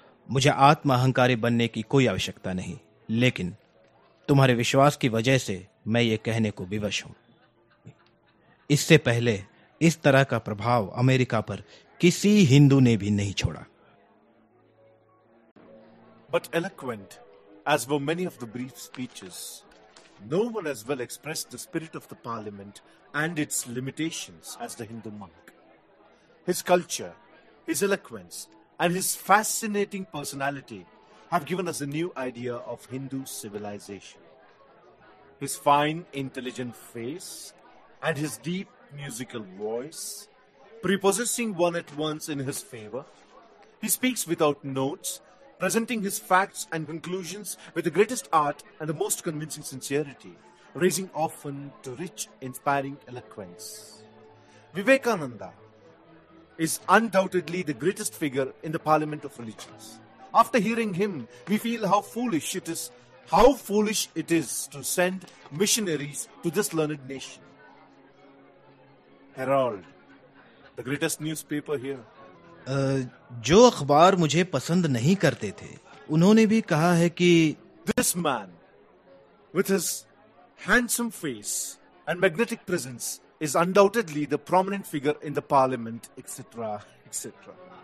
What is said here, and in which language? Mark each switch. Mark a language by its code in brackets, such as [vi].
[hi] मुझे आत्म अहंकारी बनने की कोई आवश्यकता नहीं, लेकिन तुम्हारे विश्वास की वजह से मैं ये कहने को विवश हूं। इससे पहले इस तरह का प्रभाव अमेरिका पर किसी हिंदू ने भी नहीं छोड़ा। [en] But eloquent as were many of the brief speeches, no one as well expressed the spirit of the parliament and its limitations as the Hindu monk. His culture, his eloquence, and his fascinating personality have given us a new idea of Hindu civilization. His fine, intelligent face and his deep musical voice, prepossessing one at once in his favor, he speaks without notes, presenting his facts and conclusions with the greatest art and the most convincing sincerity, raising often to rich, inspiring eloquence. Vivekananda is undoubtedly the greatest figure in the Parliament of Religions. After hearing him, we feel how foolish it is to send missionaries to this learned nation. Herald, the greatest newspaper here. [hi] जो अखबार मुझे पसंद नहीं करते थे उन्होंने भी कहा है कि [en] This man with his handsome face and magnetic presence is undoubtedly the prominent figure in the parliament etcetera etcetera.